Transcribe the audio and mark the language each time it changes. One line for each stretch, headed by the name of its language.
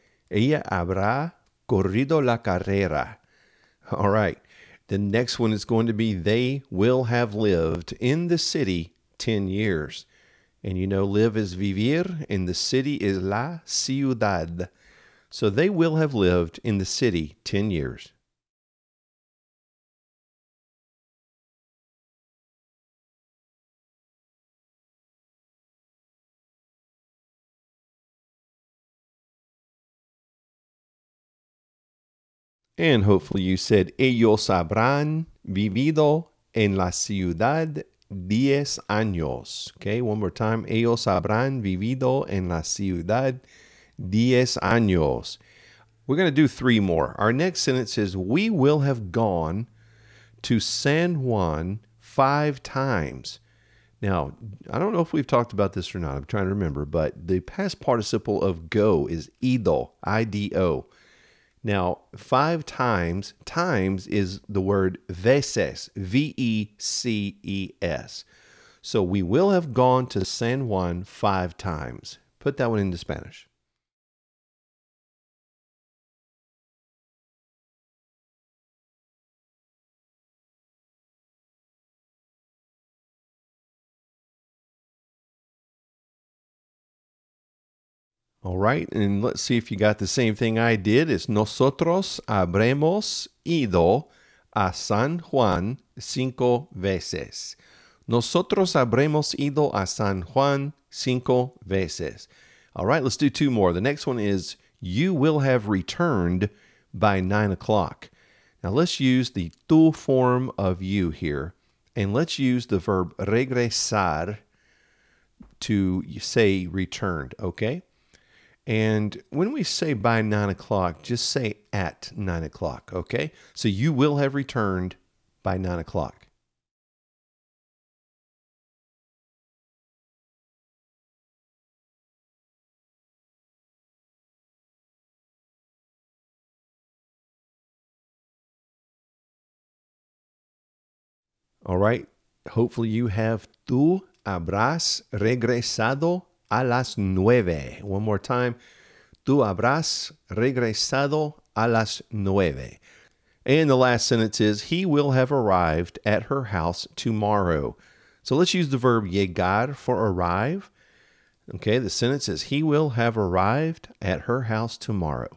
Spanish: Ella habrá corrido la carrera.
English: All right, the next one is going to be, they will have lived in the city 10 years. And you know, live is vivir, and the city is la ciudad. So they will have lived in the city 10 years. And hopefully you said,
Spanish: ellos habrán vivido en la ciudad 10 años.
English: Okay, one more time.
Spanish: Ellos habrán vivido en la ciudad 10 años.
English: We're going to do three more. Our next sentence is, we will have gone to San Juan 5 times. Now, I don't know if we've talked about this or not. I'm trying to remember, but the past participle of go is ido, I-D-O. Now, 5 times, times is the word veces, V-E-C-E-S. So we will have gone to San Juan 5 times. Put that one into Spanish. All right, and let's see if you got the same thing I did. It's
Spanish: nosotros habremos ido a San Juan 5 veces. Nosotros habremos ido a San Juan 5 veces.
English: All right, let's do two more. The next one is, you will have returned by 9 o'clock. Now let's use the tú form of you here, and let's use the verb regresar to say returned, okay? And when we say by 9 o'clock, just say at 9 o'clock, okay? So you will have returned by 9 o'clock. All right. Hopefully you have
Spanish: tú habrás regresado a las 9.
English: One more time.
Spanish: Tú habrás regresado a las 9.
English: And the last sentence is, he will have arrived at her house tomorrow. So let's use the verb llegar for arrive. Okay, the sentence is, he will have arrived at her house tomorrow.